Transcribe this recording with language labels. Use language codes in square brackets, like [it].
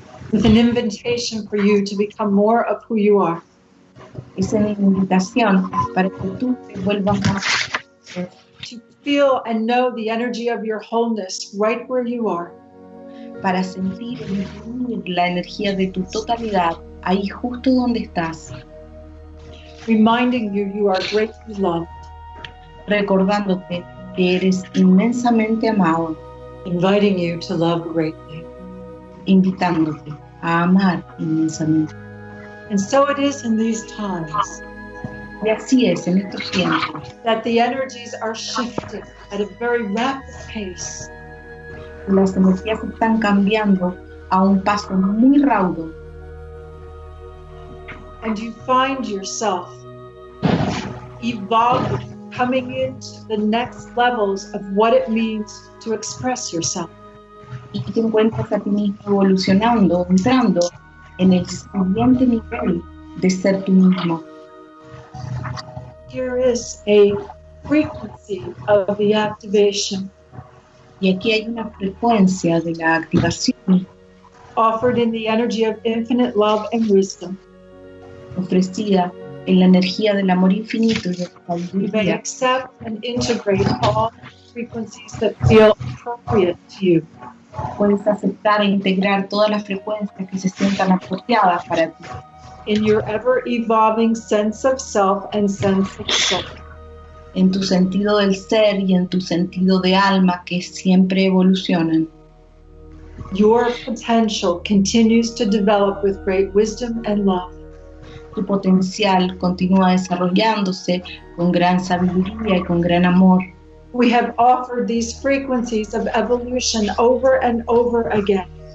[en] With an invitation for you to become more of who you are. [es] Es una invitación para que tú te vuelvas más. [en] To feel and know the energy of your wholeness right where you are. [es] Para sentir la energía de tu totalidad ahí justo donde estás. [en] Reminding you, you are greatly loved. [es] Recordándote que eres inmensamente amado. [en] Inviting you to love greatly. [es] Invitándote a amar inmensamente. [en] And so it is in these times. [es] Y así es en estos tiempos. [en] That the energies are shifting at a very rapid pace. [es] Las energías están cambiando a un paso muy raudo. [en] And you find yourself evolving, coming into the next levels of what it means to express yourself. [es] Y te encuentras a ti mismo evolucionando, entrando en el siguiente nivel de ser tú mismo. [en] Here is a frequency of the activation. [es] Y aquí hay una frecuencia de la activación [en] offered in the energy of infinite love and wisdom. [es] Ofrecida en la energía del amor infinito y de la sabiduría. [en] You may accept and integrate all frequencies that feel appropriate to you. [es] Puedes aceptar e integrar todas las frecuencias que se sientan apropiadas para ti. [en] In your ever evolving sense of self and sense of soul. [es] En tu sentido del ser y en tu sentido de alma que siempre evolucionan. [en] Your potential continues to develop with great wisdom and love. [es] Tu potencial continúa desarrollándose con gran sabiduría y con gran amor. [en] We have offered these frequencies of evolution over and over again.